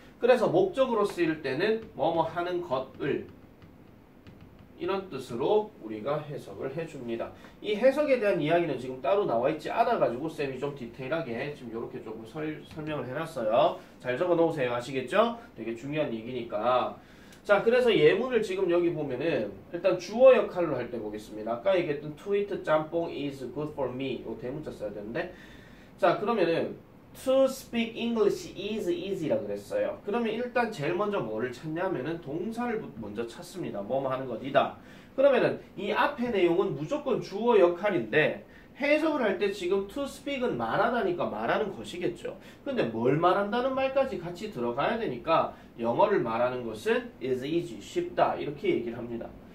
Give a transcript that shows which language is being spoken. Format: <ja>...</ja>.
<ko>그래서 목적으로 쓰일 때는 뭐뭐 하는 것을 이런 뜻으로 우리가 해석을 해줍니다. 이 해석에 대한 이야기는 지금 따로 나와 있지 않아가지고 쌤이 좀 디테일하게 지금 이렇게 조금 설명을 해놨어요. 잘 적어 놓으세요. 아시겠죠? 되게 중요한 얘기니까. 자, 그래서 예문을 지금 여기 보면은 일단 주어 역할로 할때 보겠습니다.</ko> <en>아까 얘기했던 to eat 짬뽕 is good for me.</en> <ko>이거 대문자 써야 되는데. 자, 그러면은</ko> <en>to speak English is easy</en> <ko>라고 그랬어요. 그러면 일단 제일 먼저 뭐를 찾냐면은 동사를 먼저 찾습니다. 뭐뭐 하는 것이다. 그러면은 이 앞에 내용은 무조건 주어 역할인데 해석을 할때 지금 to speak은 말하다니까 말하는 것이겠죠. 근데 뭘 말한다는 말까지 같이 들어가야 되니까 영어를 말하는 것은</ko> <en>is easy,</en> <ko>쉽다. 이렇게 얘기를 합니다.</ko>